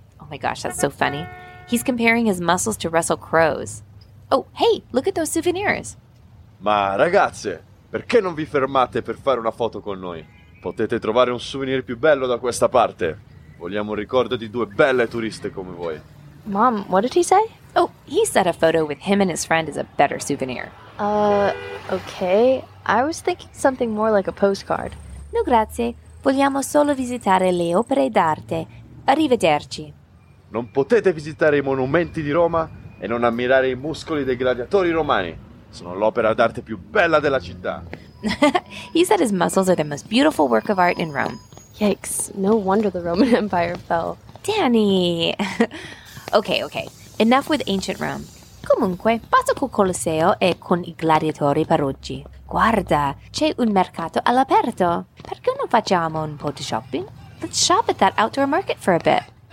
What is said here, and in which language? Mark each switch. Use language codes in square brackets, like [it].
[en] Oh my gosh, that's so funny. He's comparing his muscles to Russell Crowe's. Oh, hey, look at those souvenirs! [it] Ma ragazze, perché non vi fermate per fare una foto con noi? Potete trovare un souvenir più bello da questa parte. Vogliamo un ricordo di due belle turiste come voi. [en] Mom, what did he say? Oh, he said a photo with him and his friend is a better souvenir. Okay. I was thinking something more like a postcard. [it] No grazie. Vogliamo solo visitare le opere d'arte. Arrivederci. Non potete visitare i monumenti di Roma e non ammirare i muscoli dei gladiatori romani. Sono l'opera d'arte più bella della città. [en] He said his muscles are the most beautiful work of art in Rome. Yikes, no wonder the Roman Empire fell. Danny! Okay, enough with ancient Rome. [it] Comunque, passo col Colosseo e con i gladiatori per oggi. Guarda, c'è un mercato all'aperto. Perché non facciamo un po' di shopping? [en] Let's shop at that outdoor market for a bit.